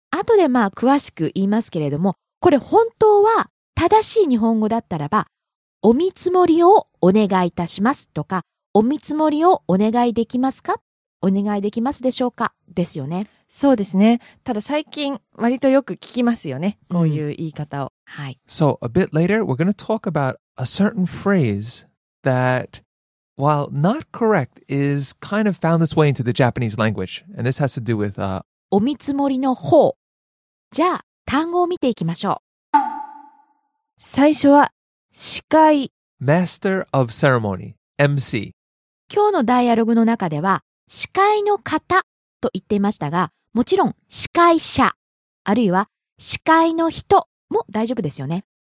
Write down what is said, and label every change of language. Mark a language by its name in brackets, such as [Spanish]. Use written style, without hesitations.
[Japanese] 後でまあ詳しく言いますけれども、これ本当は正しい日本語だったらば、お見積もりをお願いいたしますとか、お見積もりをお願いできますか、お願いできますでしょうか、ですよね。そうですね。ただ最近割とよく聞きますよね、こういう言い方を、はい。 [English] So a bit later we're going to talk about a certain phrase that, while not correct, is kind of found its way into the Japanese language. And this has to do with [Japanese] お見積もりの方。じゃあ単語を見ていきましょう。最初は司会、 [English] Master of Ceremony, MC。 [Japanese] 今日のダイアログの中では司会の方と言っていましたが、もちろん司会者あるいは司会の人も大丈夫ですよね。